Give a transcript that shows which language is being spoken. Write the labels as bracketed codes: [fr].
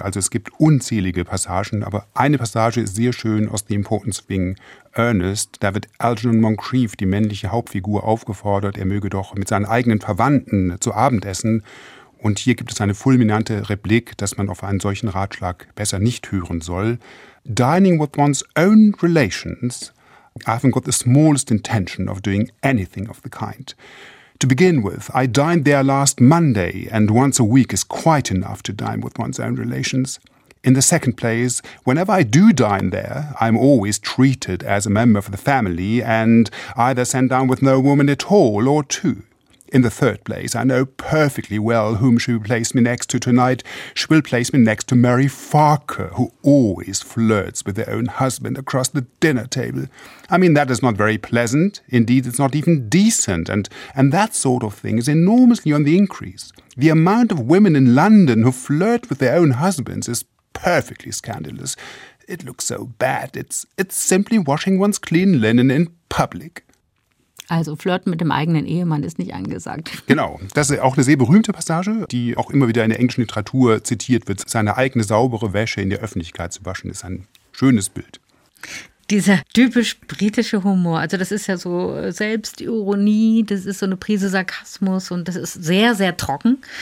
[de] Also es gibt unzählige Passagen, aber eine Passage ist sehr schön aus The Importance of Being Earnest. Da wird Algernon Moncrief, die männliche Hauptfigur, aufgefordert, er möge doch mit seinen eigenen Verwandten zu Abend essen. Und hier gibt es eine fulminante Replik, dass man auf einen solchen Ratschlag besser nicht hören soll. [en] Dining with one's own relations, I haven't got the smallest intention of doing anything of the kind. To begin with, I dined there last Monday, and once a week is quite enough to dine with one's own relations. In the second place, whenever I do dine there, I'm always treated as a member of the family and either sent down with no woman at all or two. In the third place, I know perfectly well whom she will place me next to tonight. She will place me next to Mary Farquhar, who always flirts with her own husband across the dinner table. I mean, that is not very pleasant. Indeed, it's not even decent. And that sort of thing is enormously on the increase. The amount of women in London who flirt with their own husbands is perfectly scandalous. It looks so bad. It's simply washing one's clean linen in public. [de] Also flirten mit dem eigenen Ehemann ist nicht angesagt. Genau, das ist auch eine sehr berühmte Passage, die auch immer wieder in der englischen Literatur zitiert wird. Seine eigene saubere Wäsche in der Öffentlichkeit zu waschen, ist ein schönes Bild. Dieser typisch britische Humor, also das ist ja so Selbstironie, das ist so eine Prise Sarkasmus und das ist sehr, sehr trocken.